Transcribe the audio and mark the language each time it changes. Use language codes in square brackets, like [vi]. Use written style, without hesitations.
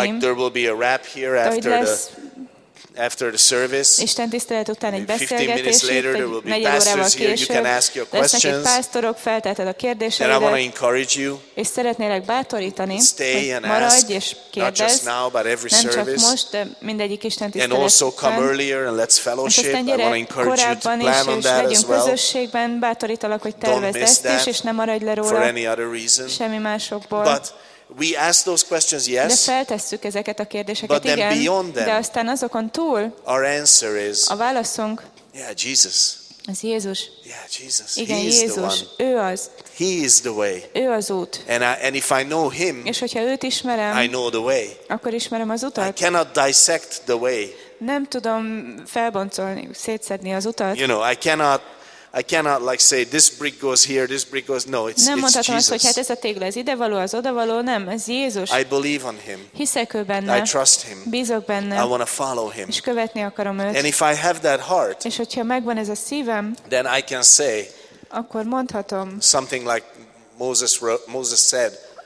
[en] Like there will be a wrap here after the service. [hu] Isten tisztelet után egy beszélgetés. [en] 15 minutes later there will be pastors here. You can ask your questions. [hu] Lesznek pásztorok, felteheted a kérdéseidet. [en] And I want to encourage you. [hu] És szeretnélek bátorítani. [en] Stay and [hu] maradj [en] ask, [hu] és kérdezz. Nem csak most, de mindegyik Isten tisztelet. [en] And also come earlier and let's fellowship. I want to encourage you to plan on that as well. [hu] Közösségben bátorítalak, hogy tervezd ezt is, és ne maradj le róla. [en] For any other reason. [hu] Semmi másokból. [en] But we ask those questions, yes. [hu] De feltesszük ezeket a kérdéseket, igen. De aztán azokon túl. [en] Our answer is. [hu] A válaszunk. [en] Yeah, Jesus. [hu] Az Jézus. [en] Yeah, Jesus. [hu] Igen, Jézus. Ő az. [en] He is the way. [hu] Ő az út. [en] And if I know him. [hu] És hogyha őt ismerem. [en] I know the way. [hu] Akkor ismerem az utat. [en] I cannot dissect the way. [hu] Nem tudom felboncolni, szétszedni az utat. [en] You know, I cannot like say this brick goes here, this brick goes no. It's [hu] nem [en] it's Jesus. [hu] Azt, hogy hát ez a tégla, ez ide való, az odavaló, nem, ez Jézus. [en] I believe on him. [hu] Hiszek ő benne. [en] I trust him. [hu] Bízok benne. [en] I want to follow him. [hu] És követni akarom őt. [en] And if I have that heart, [hu] és hogyha megvan ez a szívem, [en] then I can say, [hu] akkor mondhatom, [en] something like Moses said.